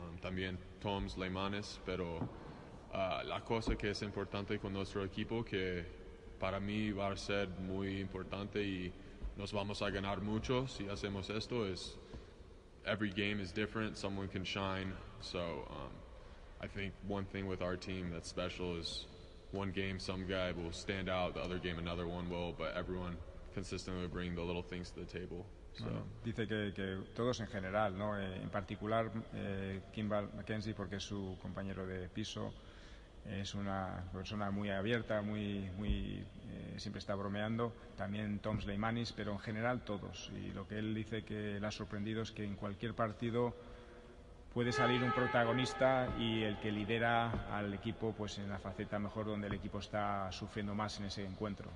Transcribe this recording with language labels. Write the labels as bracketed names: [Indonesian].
[Spanish] También Tom's Leimanes, pero la cosa que es importante con nuestro equipo que para mí va a ser muy importante y nos vamos a ganar mucho si hacemos esto es [English] every game is different, someone can shine. So I think one thing with our team that's special is one game some guy will stand out, the other game another one will, but everyone consistently will bring the little things to the table. So. [Spanish] Dice que todos en general, ¿no? En particular Kimball McKenzie, porque es su compañero de piso, es una persona muy abierta, siempre está bromeando, también Tom Sleimanis, pero en general todos. Y lo que él dice que le ha sorprendido es que en cualquier partido puede salir un protagonista y el que lidera al equipo pues en la faceta mejor donde el equipo está sufriendo más en ese encuentro.